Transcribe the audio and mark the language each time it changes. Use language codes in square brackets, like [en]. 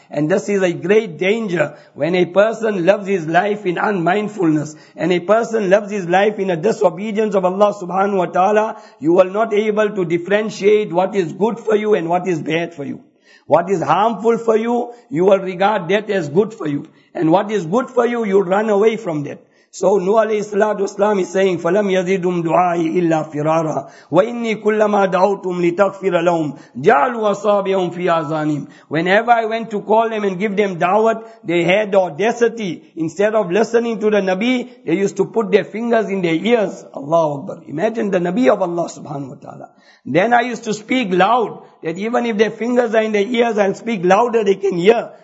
[en] And this is a great danger when a person loves his life in unmindfulness, and a person loves his life in a disobedience of Allah subhanahu wa ta'ala, you will not able to differentiate what is good for you and what is bad for you. What is harmful for you, you will regard that as good for you. And what is good for you, you run away from that. So Nuh alayhi salatu wasalam is saying, [ar] فَلَمْ يَزِدُمْ دُعَائِ إِلَّا فِرَارًا وَإِنِّي كُلَّمَا دَعَوْتُمْ لِتَغْفِرَ لَهُمْ جَعَلُوا أَصَابِعَهُمْ فِي آذَانِهِمْ. [en] Whenever I went to call them and give them da'wat, they had the audacity, instead of listening to the Nabi, they used to put their fingers in their ears. Allahu Akbar. Imagine the Nabi of Allah subhanahu wa ta'ala. Then I used to speak loud, that even if their fingers are in their ears, I'll speak louder, they can hear.